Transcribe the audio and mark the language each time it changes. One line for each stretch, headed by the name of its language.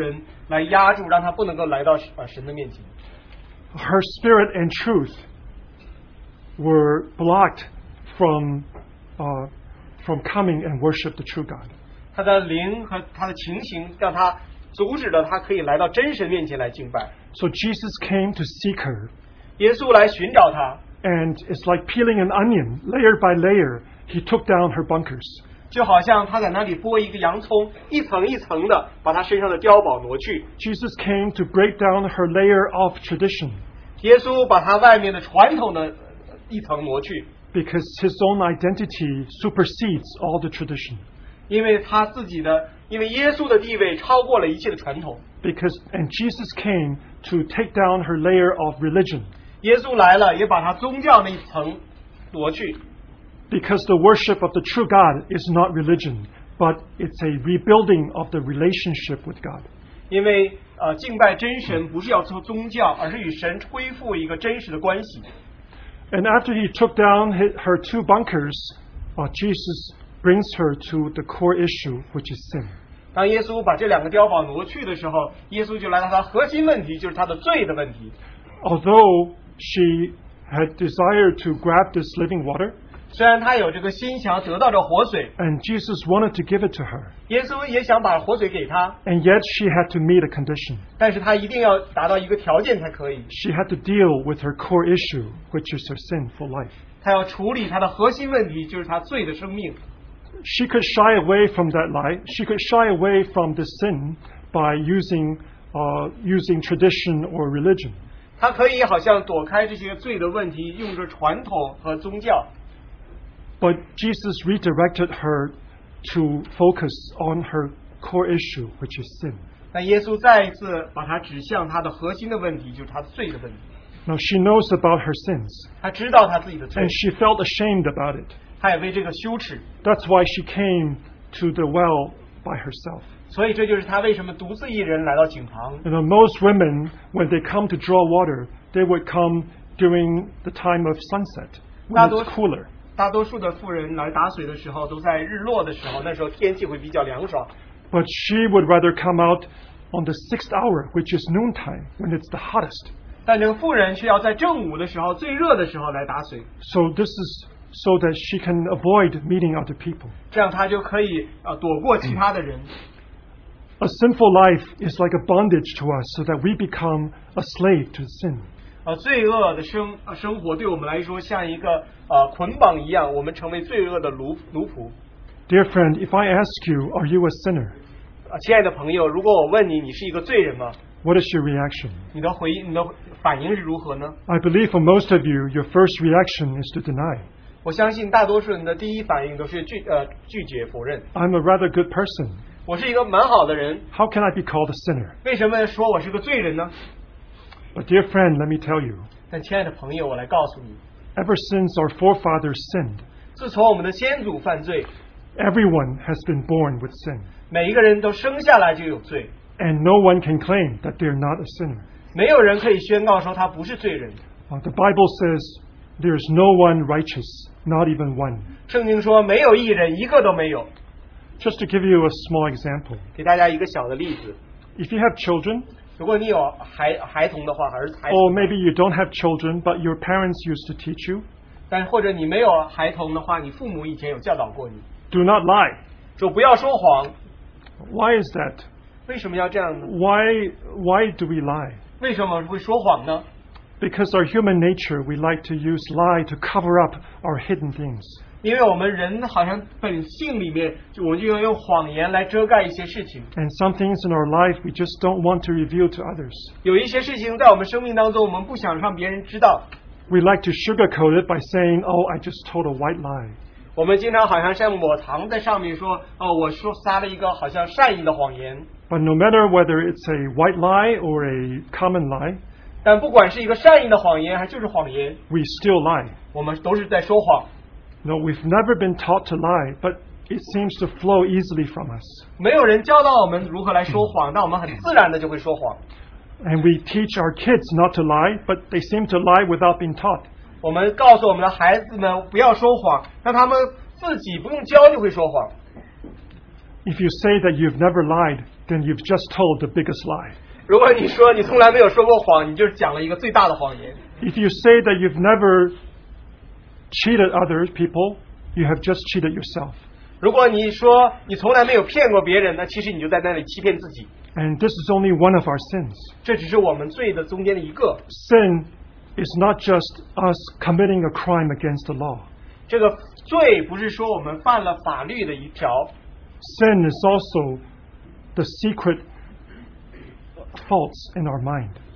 Chinese: 这就像很重的包裹把这个妇人来压住让她不能够来到神的面前。
English: Her spirit and truth were blocked from coming and worship the true God.
Chinese: 她的灵和她的情形让她阻止了她可以来到真神面前来敬拜。
English: So Jesus came to seek her.
Chinese: 耶稣来寻找她。
English: And it's like peeling an onion, layer by layer, he took down her bunkers.
Chinese: 就好像他在那里剥一个洋葱，一层一层的把他身上的碉堡挪去。
English: Jesus came to break down her layer of tradition.
Chinese: 耶稣把他外面的传统的一层挪去。
English: Because his own identity supersedes all the tradition.
Chinese: 因为他自己的，因为耶稣的地位超过了一切的传统。
English: Because and Jesus came to take down her layer of religion.
Chinese: 耶稣来了，也把他宗教那一层挪去。
English: Because the worship of the true God is not religion, but it's a rebuilding of the relationship with God.
Chinese: 因为敬拜真神不是要做宗教，而是与神恢复一个真实的关系。
English: And after he took down her two bunkers, Jesus brings her to the core issue, which is sin.
Chinese: 当耶稣把这两个碉堡挪去的时候，耶稣就来到他核心问题，就是他的罪的问题。
English: Although she had desired to grab this living water,
Chinese: 虽然他有这个心想得到这活水，
English: and Jesus wanted to give it to her,
Chinese: 耶稣也想把活水给他，
English: and yet she had to meet a condition.
Chinese: 但是他一定要达到一个条件才可以。
English: She had to deal with her core issue, which is her sin for life.
Chinese: 他要处理他的核心问题，就是他罪的生命。
English: She could shy away from that lie. She could shy away from the sin by using tradition or religion.
Chinese: 他可以好像躲开这些罪的问题，用着传统和宗教。
English: But Jesus redirected her to focus on her core issue, which is sin.
Chinese: 那耶稣再一次把她指向她的核心的问题，就是她罪的问题。
English: Now she knows about her sins.
Chinese: 她知道她自己的罪。
English: And she felt ashamed about it.
Chinese: 她也为这个羞耻。
English: That's why she came to the well by herself.
Chinese: 所以这就是她为什么独自一人来到井旁。
English: You know, most women, when they come to draw water, they would come during the time of sunset, when it's cooler.
Chinese: 大多数的妇人来打水的时候都在日落的时候，那时候天气会比较凉爽。
English: But she would rather come out on the sixth hour, which is noontime, when it's the hottest.
Chinese: 但这个妇人却要在正午的时候，最热的时候来打水。
English: So this is so that she can avoid meeting other people.
Chinese: 这样她就可以躲过其他的人。
English: A sinful life is like a bondage to us, so that we become a slave to sin.
Chinese: 罪恶的生活对我们来说像一个捆绑一样，我们成为罪恶的奴仆。
English: Dear friend, if I ask you, are you a sinner?
Chinese: 亲爱的朋友，如果我问你，你是一个罪人吗？
English: What is your reaction?
Chinese: 你的反应是如何呢？
English: I believe for most of you, your first reaction is to deny.
Chinese: 我相信大多数人的第一反应都是拒绝否认。
English: I'm a rather good person.
Chinese: 我是一个蛮好的人。
English: How can I be called a sinner?
Chinese: 为什么说我是个罪人呢？
English: But dear friend, let me tell you.
Chinese: 但亲爱的朋友，我来告诉你。
English: Ever since our forefathers sinned,
Chinese: 自从我们的先祖犯罪,
English: everyone has been born with sin.
Chinese: 每一个人都生下来就有罪,
English: and no one can claim that they're not a sinner.
Chinese: 没有人可以宣告说他不是罪人。
English: The Bible says there's no one righteous, not even one.
Chinese: 圣经说没有义人，一个都没有。
English: Just to give you a small example,
Chinese: 给大家一个小的例子。
English: If you have children,
Chinese: 如果你有孩童的话，还是孩童。
English: Or maybe you don't have children, but your parents used to teach you.
Chinese: 但或者你没有孩童的话，你父母以前有教导过你。
English: Do not lie.
Chinese: 就不要说谎。
English: Why is that?
Chinese: 为什么要这样呢？
English: Why do we lie?
Chinese: 为什么会说谎呢？
English: Because our human nature, we like to use lie to cover up our hidden things.
Chinese: 因为我们人好像本性里面，我们就要用谎言来遮盖一些事情。
English: And some things in our life we just don't want to reveal to others.
Chinese: 有一些事情在我们生命当中，我们不想让别人知道。
English: We like to sugarcoat it by saying, "Oh, I just told a white lie."
Chinese: 我们经常好像像抹糖在上面说，哦，我说撒了一个好像善意的谎言。
English: But no matter whether it's a white lie or a common lie,
Chinese: 但不管是一个善意的谎言还就是谎言
English: ，we still lie.
Chinese: 我们都是在说谎。
English: No, we've never been taught to lie, but it seems to flow easily from us.
Chinese: 没有人教导我们如何来说谎，但我们很自然的就会说谎。
English: And we teach our kids not to lie, but they seem to lie without being taught.
Chinese: 我们告诉我们的孩子们不要说谎，让他们自己不用教就会说谎。
English: If you say that you've never lied, then you've just told the biggest lie.
Chinese: 如果你说你从来没有说过谎，你就讲了一个最大的谎言。
English: If you say that you've never cheated other people, you have just cheated yourself.
Chinese: 如果你说你从来没有骗过别人，那其实你就在那里欺骗自己。
English: And this is only one of our sins.
Chinese: 这只是我们罪的中间的一个。
English: Sin is not just us committing a crime against the law.
Chinese: 这个罪不是说我们犯了法律的一条。
English: Sin is also the secret faults in our mind.